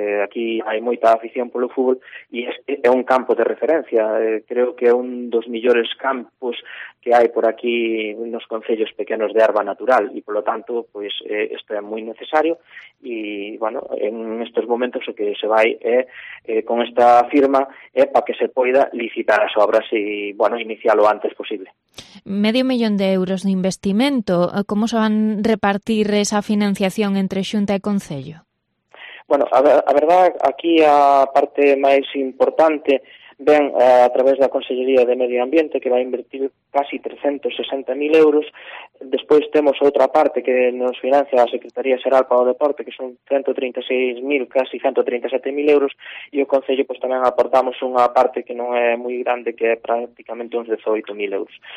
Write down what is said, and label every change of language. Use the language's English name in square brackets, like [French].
[Galician] aquí hai moita afición polo fútbol, e é un campo de referencia, creo que é un dos mellores campos que hai por aquí nos concellos pequenos de herba natural, e, polo tanto, pois, isto é moi necesario, e, bueno, en estes momentos o que se vai con esta firma é para que se poida licitar as obras e, bueno, iniciar o antes posible. [Spanish] Medio millón de euros de investimento, ¿cómo se van a repartir esa financiación entre Xunta e Concello? [Galician] Bueno, a verdad, aquí a parte máis importante ven a través da Consellería de Medio Ambiente, que vai invertir casi 360.000 euros. Despois temos outra parte que nos financia a Secretaría Xeral para o Deporte, que son 136.000, casi 137.000 euros, e o Concello, pois, tamén aportamos unha parte que non é moi grande, que é prácticamente uns 18.000 euros.